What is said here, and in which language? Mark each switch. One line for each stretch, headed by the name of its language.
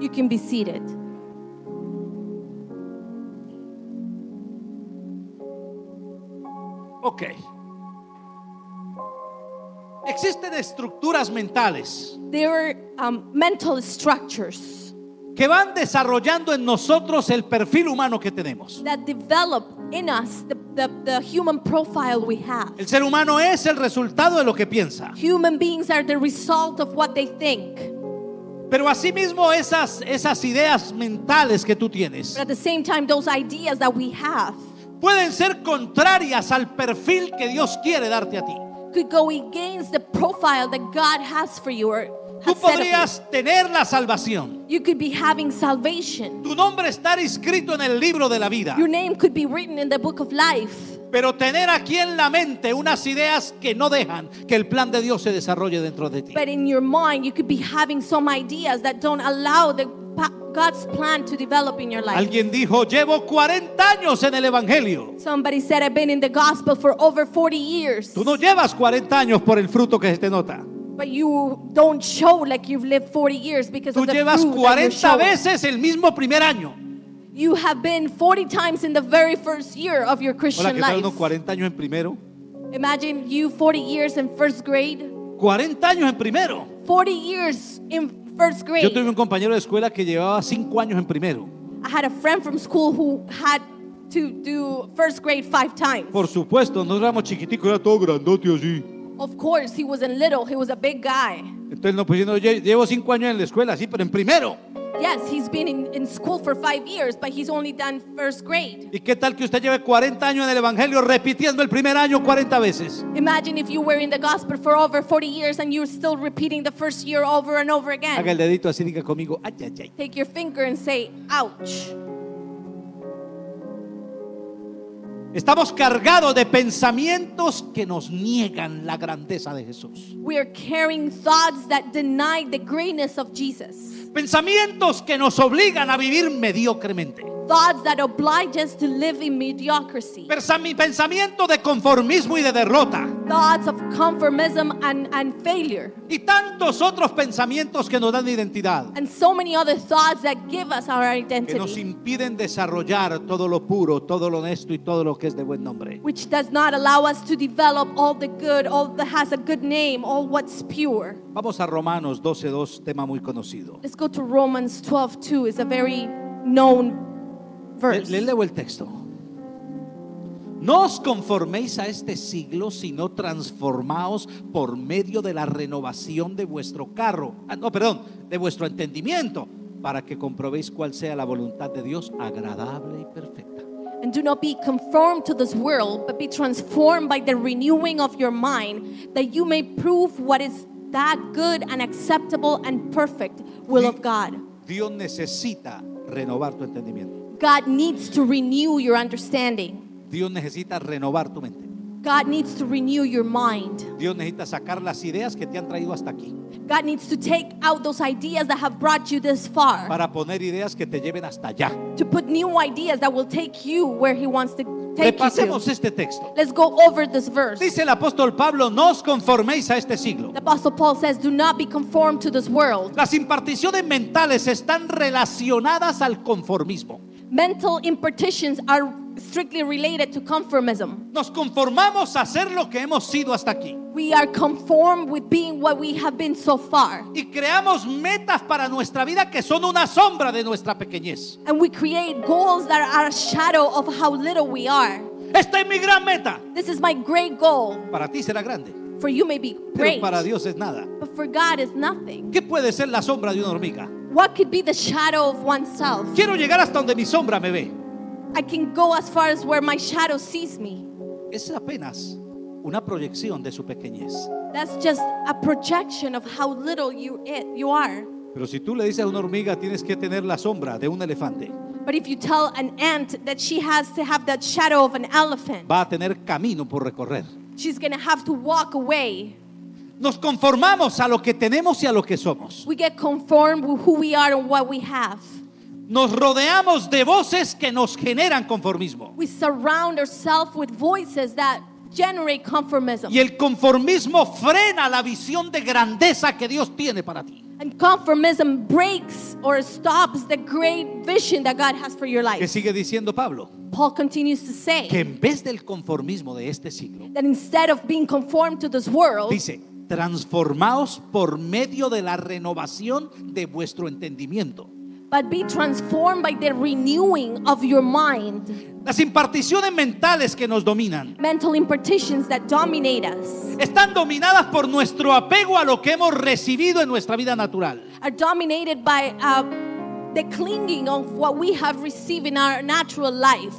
English: You can be seated. Okay.
Spanish: Existen estructuras mentales.
English: There are mental structures
Spanish: que van desarrollando en nosotros el perfil humano que tenemos.
English: That develop in us the human profile we have.
Spanish: El ser humano es el resultado de lo que piensa.
English: Human beings are the result of what they think.
Spanish: Pero asimismo esas ideas mentales que tú tienes.
English: But at the same time, those ideas that we have
Spanish: pueden ser contrarias al perfil que Dios quiere darte a ti.
English: Could go against the profile that God has for you or has
Spanish: tú podrías
English: set up you.
Spanish: Tener la salvación.
English: You could be having salvation.
Spanish: Tu nombre estar escrito en el libro de la vida.
English: Your name could be written in the book of life.
Spanish: Pero tener aquí en la mente unas ideas que no dejan que el plan de Dios se desarrolle dentro de ti.
English: But in your mind you could be having some ideas that don't allow the God's plan to develop in your life.
Spanish: Alguien dijo, llevo 40 años en el evangelio.
English: Somebody said I've been in the gospel for over 40 years.
Spanish: Tú no llevas 40 años por el fruto que se te nota.
English: But you don't show like you've lived 40 years because
Spanish: tú
English: of the fruit.
Spanish: Tú llevas 40 veces el mismo primer año.
English: You have been 40 times in the very first year of your Christian life.
Spanish: Hola, ¿qué tal unos 40 años en primero?
English: Imagine you 40 years in first grade.
Spanish: 40 años en primero.
English: 40 years in first grade.
Spanish: Yo tuve un compañero de escuela que llevaba 5 años en primero.
English: I had a friend from school who had to do first grade 5 times.
Spanish: Por supuesto, nosotros éramos chiquiticos, era todo grandote así.
English: Of course, he wasn't little, he was a big guy.
Spanish: Entonces no, pues yo llevo 5 años en la escuela, sí, pero en primero.
English: Yes, he's been in school for 5 years, but he's only done first grade.
Spanish: ¿Y qué tal que usted lleve 40 años en el evangelio repitiendo el primer año 40 veces?
English: Imagine if you were in the gospel for over 40 years and you're still repeating the first year over and over again.
Spanish: Haga el dedito así, diga conmigo, ay, ay, ay.
English: Take your finger and say, ouch.
Spanish: Estamos cargados de pensamientos que nos niegan la grandeza de Jesús.
English: We are carrying thoughts that deny the greatness of Jesus.
Spanish: Pensamientos que nos obligan a vivir mediocremente.
English: Thoughts that oblige us to live in mediocrity.
Spanish: Pensamiento de conformismo y de derrota.
English: Thoughts of conformism and failure.
Spanish: Y tantos otros pensamientos que nos dan identidad.
English: And so many other thoughts that give us our identity.
Spanish: Que nos impiden desarrollar todo lo puro, todo lo honesto y todo lo que es de buen nombre.
English: Which does not allow us to develop all the good, all that has a good name, all what's pure.
Spanish: Vamos a Romanos 12:2, tema muy conocido.
English: Let's go to Romans 12:2. It's a very known verse.
Spanish: Le leo el texto. No os conforméis a este siglo, sino transformaos por medio de la renovación de vuestro carro. No, perdón, de vuestro entendimiento, para que comprobéis cuál sea la voluntad de Dios, agradable y perfecta.
English: And do not be conformed to this world, but be transformed by the renewing of your mind, that you may prove what is that good and acceptable and perfect will of God.
Spanish: Dios necesita renovar tu entendimiento.
English: God needs to renew your understanding.
Spanish: Dios necesita renovar tu mente.
English: God needs to renew your mind.
Spanish: Dios necesita sacar las ideas que te han traído hasta aquí.
English: God needs to take out those ideas that have brought you this far.
Spanish: Para poner ideas que te lleven hasta allá.
English: To put new ideas that will take you where he wants to take you.
Spanish: Repasemos este texto.
English: Let's go over this verse.
Spanish: Dice el apóstol Pablo, no os conforméis a este siglo.
English: The apostle Paul says, do not be conformed to this world.
Spanish: Las imparticiones mentales están relacionadas al conformismo.
English: Mental impartitions are strictly related to conformism.
Spanish: Nos conformamos a hacer lo que hemos sido hasta aquí.
English: We are conformed with being what we have been so far.
Spanish: Y creamos metas para nuestra vida que son una sombra de nuestra pequeñez.
English: And we create goals that are a shadow of how little we are.
Spanish: Esta es mi gran meta.
English: This is my great goal.
Spanish: Para ti será grande.
English: For you may be great.
Spanish: Pero para Dios es nada.
English: But for God is nothing.
Spanish: ¿Qué puede ser la sombra de una hormiga?
English: What could be the shadow of oneself?
Spanish: Quiero llegar hasta donde mi sombra me ve.
English: I can go as far as where my shadow sees me.
Spanish: Es apenas una proyección de su pequeñez.
English: That's just a projection of how little you are.
Spanish: Pero si tú le dices a una hormiga, tienes que tener la sombra de un elefante.
English: But if you tell an ant that she has to have that shadow of an elephant.
Spanish: Va a tener camino por recorrer.
English: She's going to have to walk away.
Spanish: Nos conformamos a lo que tenemos y a lo que somos.
English: We get conformed with who we are and what we have.
Spanish: Nos rodeamos de voces que nos generan conformismo.
English: We surround ourselves with voices that generate conformism.
Spanish: Y el conformismo frena la visión de grandeza que Dios tiene para ti.
English: And conformism breaks or stops the great vision that God has for your life.
Spanish: ¿Qué sigue diciendo Pablo?
English: Paul continues to say
Spanish: que en vez del conformismo de este siglo,
English: that instead of being conformed to this world,
Spanish: dice, transformaos por medio de la renovación de vuestro entendimiento.
English: But be transformed by the renewing of your mind.
Spanish: Las imparticiones mentales que nos dominan.
English: Mental impartitions that dominate us.
Spanish: Están dominadas por nuestro apego a lo que hemos recibido en nuestra vida natural.
English: Are dominated by the clinging of what we have received in our natural life.